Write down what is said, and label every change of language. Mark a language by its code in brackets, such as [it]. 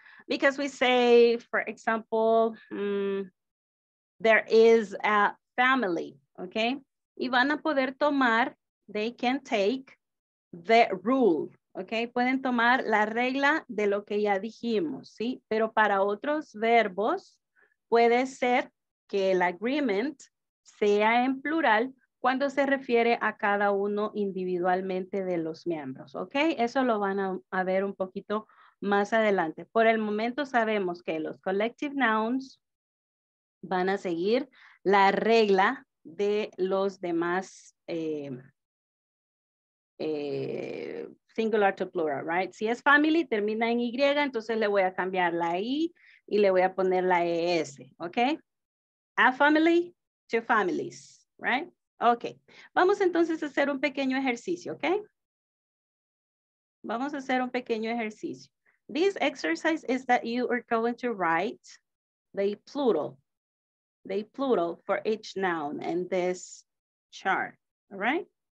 [en] Because we say, for example, there is a family, okay? [es] Y van a poder tomar, [en] they can take the rule. [es] Okay, pueden tomar la regla de lo que ya dijimos, ¿sí? Pero para otros verbos puede ser que el agreement sea en plural cuando se refiere a cada uno individualmente de los miembros, ¿okay? Eso lo van a ver un poquito más adelante. Por el momento sabemos que los collective nouns van a seguir la regla de los demás singular to plural, right? Si es family, termina en Y, entonces le voy a cambiar la I y le voy a poner la ES, okay? [en] A family, two families, [es] right? Okay, vamos entonces a hacer un pequeño ejercicio, okay? Vamos a hacer un pequeño ejercicio. [en] This exercise is that you are going to write the plural for each noun in this chart, all right?